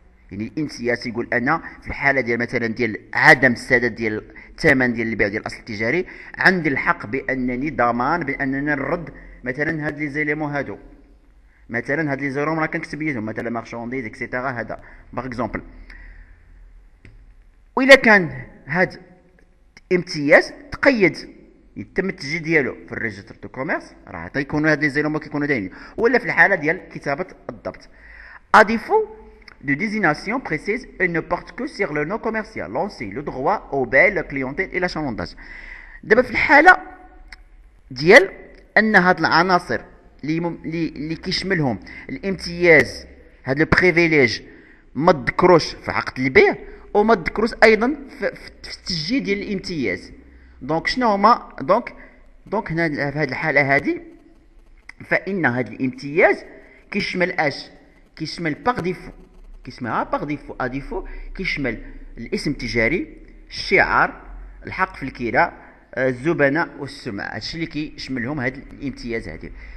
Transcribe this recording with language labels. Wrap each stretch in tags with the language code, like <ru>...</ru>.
<ar>يعني الامتياز يقول انا في الحاله ديال مثلا ديال عدم السداد ديال الثمن ديال البيع ديال الاصل التجاري عندي الحق بانني ضمان بانني نرد مثلا هاد لي زيليمون هادو، مثلا هاد لي زيروم راه كنكتب ليهم مثلا مارشانديز اكسيتيرا هذا</ar> <fr>باغ اكزومبل.</fr> <ar>و الا كان هاد امتياز تقيد يتم التسجيل ديالو في الريجستر دو كوميرس راه تيكونوا هاد لي زيليمون كيكونوا دايرين، ولا في الحاله ديال كتابه الضبط.</ar> <fr>اديفو de désignation précise et ne porte que sur le nom commercial, l'ancien, le droit au bail, la clientèle et l'achalandage.</fr> <ar>دابا في الحاله ديال ان هاد العناصر اللي كيشملهم الامتياز هاد لو بريفيليج ما تذكروش في عقد البيع وما تذكروش ايضا في التسجيل ديال الامتياز. دونك شنو هما دونك هنا في هاد الحاله هادي فان هاد الامتياز كيشمل اش؟ كيشمل باغ ديفو كيسمها باغ ديفو اديفو كيشمل الاسم التجاري، الشعار، الحق في الكلى، الزبناء والسمعة، هادشي اللي كيشملهم هاد الامتياز هادي.</ar>